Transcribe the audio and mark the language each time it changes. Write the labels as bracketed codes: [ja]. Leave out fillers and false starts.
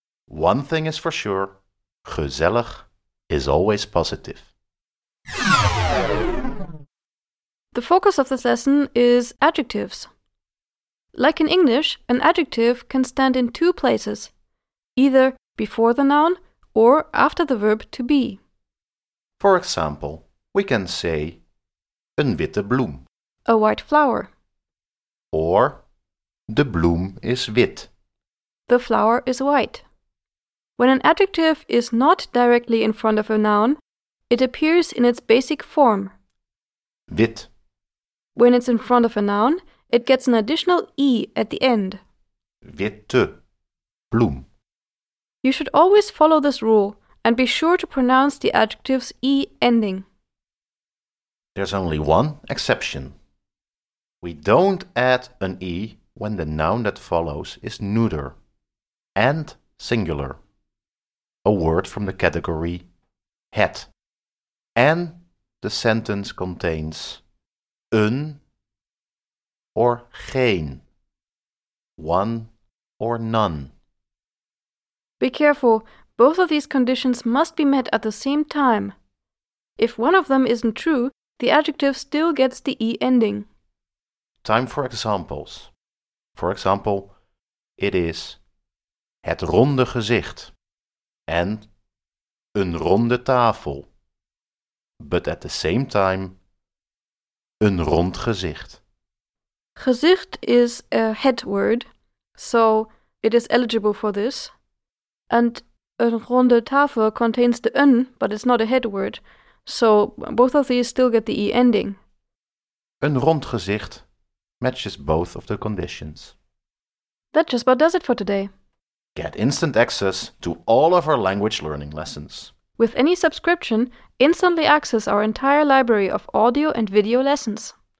[en] One thing is for sure, gezellig is always positive. The focus of this lesson is adjectives. Like in English, an adjective can stand in two places, either before the noun or after the verb to be. For example, we can say [nl] een witte bloem. [en] A white flower. [nl] Or de bloem is wit. [en] The flower is white. When an adjective is not directly in front of a noun, it appears in its basic form. [nl] Wit. [en] When it's in front of a noun, it gets an additional e at the end. [nl] Witte Blum. [en] You should always follow this rule and be sure to pronounce the adjective's e ending. There's only one exception. We don't add an e when the noun that follows is neuter and singular. A word from the category het. And the sentence contains een or geen, one or none. Be careful, both of these conditions must be met at the same time. If one of them isn't true, the adjective still gets the e ending. Time for examples. For example, it is [nl] het ronde gezicht [en] and [nl] een ronde tafel. [en] But at the same time, [nl] een rond gezicht. [en] Gezicht is a het word, so it is eligible for this. And [nl] een ronde tafel [en] contains the een, but it's not a het word. So both of these still get the e ending. [nl] Een rond gezicht [en] matches both of the conditions. That just about does it for today. Get instant access to all of our language learning lessons. With any subscription, instantly access our entire library of audio and video lessons.